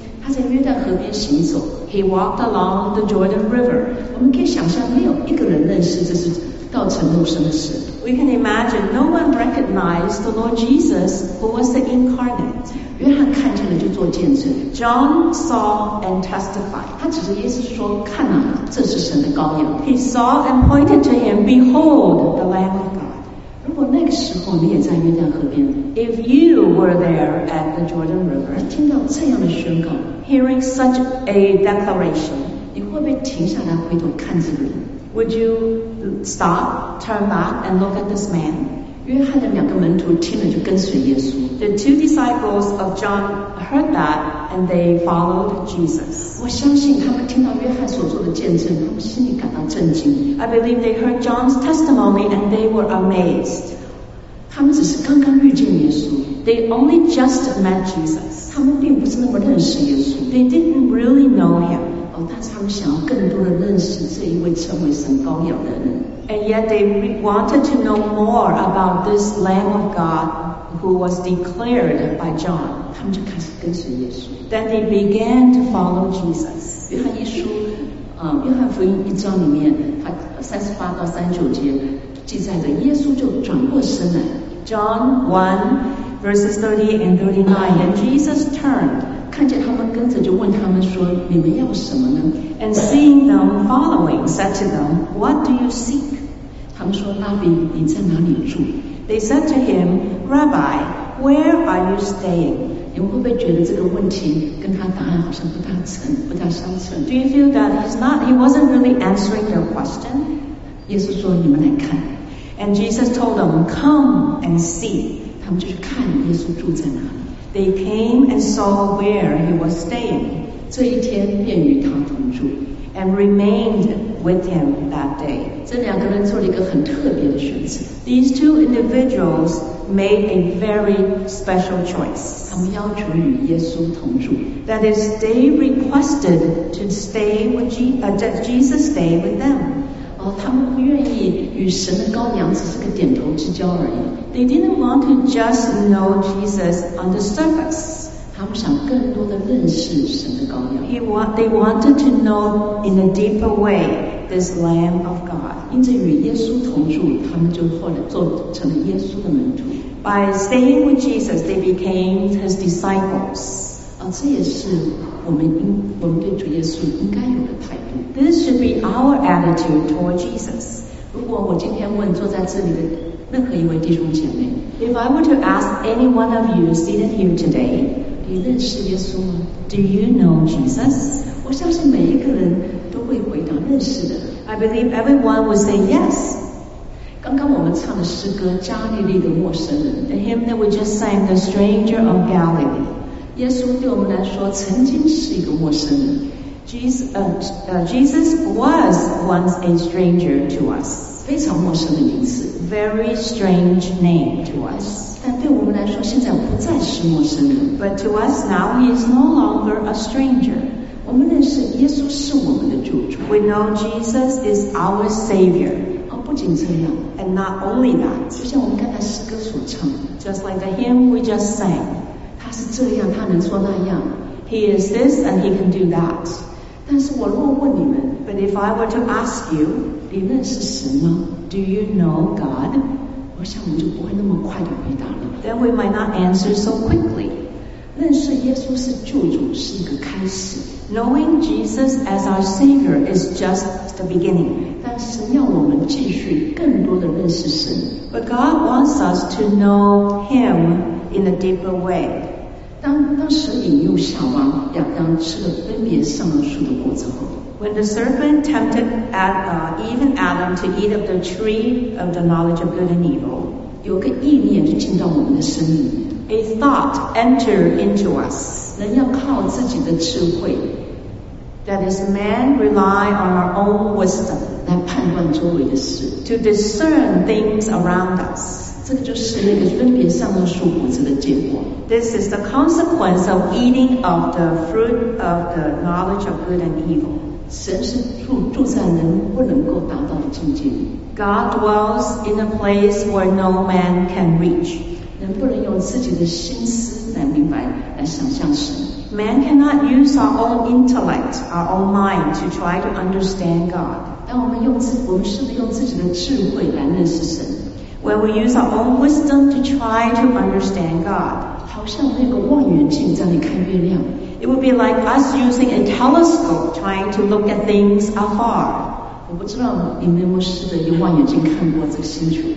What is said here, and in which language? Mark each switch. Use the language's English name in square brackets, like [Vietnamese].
[Chinese] 他在约旦河边行走。 [English] He walked along the Jordan River. [Chinese] 我们可以想象没有一个人认识这是道成肉身的神。 [English] We can imagine no one recognized the Lord Jesus who was the incarnate. [Chinese] 约翰看见了就做见证。 [English] John saw and testified. [Chinese] 他指着耶稣说看啊这是神的羔羊。 [English] He saw and pointed to him, behold the Lamb of God. [Chinese] 如果那个时候你也在约旦河边。 [English] If you were there at the Jordan River. [Chinese] 你听到这样的宣告。 [English] Hearing such a declaration. [Chinese] 你会不会停下来回头看这个人？ [English] Would you stop, turn back, and look at this man? [Chinese] 约翰的两个门徒听了就跟随耶稣。 [English] The two disciples of John heard that, and they followed Jesus. [Chinese] 我相信他们听到约翰所做的见证，他们心里感到震惊。 [English] I believe they heard John's testimony, and they were amazed. [Chinese] 他们只是刚刚遇见耶稣。 [English] They only just met Jesus. [Chinese] 他们并不是那么认识耶稣。 [English] They didn't really know him. [Chinese] 但是他们想要更多的认识这一位称为神羔羊的人。 [English] And yet they wanted to know more about this Lamb of God who was declared by John. [Chinese] 他们就开始跟随耶稣。 [English] Then they began to follow Jesus. [Chinese] 约翰福音一章里面，他38-39节记载着耶稣就转过身来。 [English] John 1 verses 38 and 39, and Jesus turned. [Chinese] 看见他们跟着就问他们说你们要什么呢 [English] And seeing them following said to them What do you seek? [Chinese] 他们说拉比你在哪里住 [English] They said to him Rabbi where are you staying? [Chinese] 你会不会觉得这个问题跟他答案好像不大相称 [English] Do you feel that he wasn't really answering your question? [Chinese] 耶稣说你们来看 [English] And Jesus told them come and see [Chinese] 他们就去看耶稣住在哪里 [English] They came and saw where he was staying. [Chinese] 这一天便与他同住 [English] and remained with him that day. [Chinese] 这两个人做了一个很特别的选择。 [English] These two individuals made a very special choice. [Chinese] 他们要求与耶稣同住。 [English] That is, they requested to stay with that Jesus stay with them. [Chinese] 他们不愿意与神的羔羊只是个点头之交而已。 [English] They didn't want to just know Jesus on the surface. [Chinese] 他们想更多的认识神的羔羊。 [English] They wanted to know in a deeper way this Lamb of God. [Chinese] 因着与耶稣同住，他们就后来做成了耶稣的门徒。 [English] By staying with Jesus, they became his disciples. [Chinese] 这也是我们对主耶稣应该有的态度。 [English] This should be our attitude toward Jesus. [Chinese] 如果我今天问坐在这里的任何一位弟兄姐妹 [English] If I were to ask any one of you seated here today [Chinese] 你认识耶稣吗 [English] Do you know Jesus? [Chinese] 我相信每一个人都会回答认识的。 [English] I believe everyone will say yes. [Chinese] 刚刚我们唱的诗歌《加利利的陌生人》 [English] ，The hymn that we just sang, The Stranger of Galilee. [Chinese] 耶稣对我们来说曾经是一个陌生人。 [English] Jesus was once a stranger to us. [Chinese] 非常陌生的名字。 [English] Very strange name to us. [Chinese] 但对我们来说现在不再是陌生人。 [English] But to us now he is no longer a stranger. [Chinese] 我们认识耶稣是我们的主。 [English] We know Jesus is our savior. [Chinese] 不仅这样。 [English] And not only that. [Chinese] 就像我们刚才诗歌所唱。 [English] Just like the hymn we just sang. [Chinese] 他是这样他能说那样。 [English] He is this and he can do that. [Chinese] 但是我若问你们。 [English] But if I were to ask you. [Chinese] 你认识神吗？ [English] Do you know God? [Chinese] 我想我们就不会那么快地回答了。 [English] Then we might not answer so quickly. [Chinese] 认识耶稣是救主是一个开始。 [English] Knowing Jesus as our Savior is just the beginning. [Chinese] 但神要我们继续更多地认识神。 [English] But God wants us to know Him in a deeper way. [Chinese] 当蛇引诱夏娃，亚当吃了分别善恶树的果子后。 [English] When the serpent tempted Eve and Adam to eat of the tree of the knowledge of good and evil, [Chinese] 有个意念就进到我们的生命。 [English] A thought entered into us. [Chinese] 人要靠自己的智慧。 [English] That is, man rely on our own wisdom [Chinese] 来判断周围的事。 [English] To discern things around us. [Chinese] 这个就是那个分别善恶树果子的结果。 [English] This is the consequence of eating of the fruit of the knowledge of good and evil. [Chinese] 神是住在人不能够达到的境界。 [English] God dwells in a place where no man can reach. [Chinese] 人不能用自己的心思来明白，来想象神。 [English] Man cannot use our own intellect, our own mind to try to understand God. [Chinese] 当我们是不是用自己的智慧来认识神？ [English] When we use our own wisdom to try to understand God. [Chinese] 好像那个望远镜在那看月亮。 [English] It would be like us using a telescope trying to look at things afar. [Chinese] 我不知道你们有没有试着用望远镜看过这个星球。